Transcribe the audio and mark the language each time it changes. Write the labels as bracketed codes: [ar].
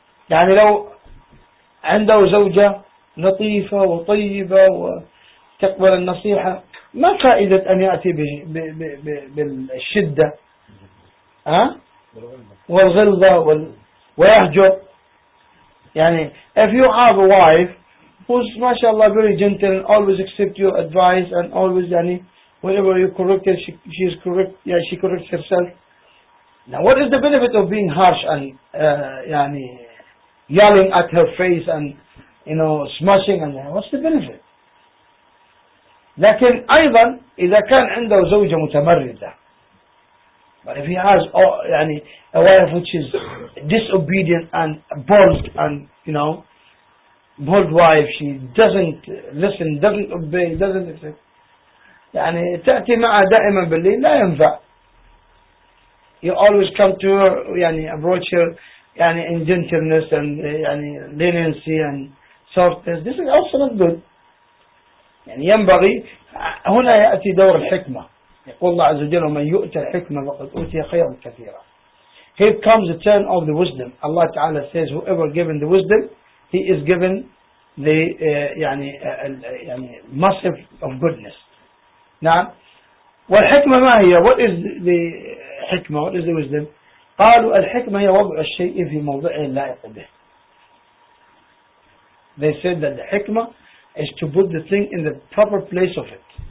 [ar] يعني لو عنده زوجة لطيفة وطيبة وتقبل النصيحة, ما فائدة أن يأتي بالشدة والغلظة ويهجر. [en] يعني if you have a wife who's mashallah very gentle and always accept your advice and always يعني whenever you correct her she is correct, yeah, she corrects herself. Now what is the benefit of being harsh and يعني yelling at her face and you know smashing and what's the benefit? [ar] لكن أيضا إذا كان عنده زوجة متمردة. [en] But if he has يعني a wife which is disobedient and bold and you know bold wife, she doesn't listen, doesn't obey, doesn't accept. [ar] يعني تأتي معه دائما باللي لا ينفع. [en] You always come to her, يعني approach her, يعني in gentleness and يعني leniency and softness. This is also not good. [ar] يعني ينبغي هنا يأتي دور الحكمة. يقول الله عز وجل ومن يؤتى الحكمة فقد أوتي خيرا كثيرا. [en] Here comes the turn of the wisdom. Allah Ta'ala says whoever given the wisdom he is given the يعني يعني massive of goodness. [ar] نعم. والحكمة ما هي؟ [en] What is the حكمة؟ What is the wisdom؟ [ar] قالوا الحكمة هي وضع الشيء في موضعه اللائق به. [en] They said that the حكمة is to put the thing in the proper place of it.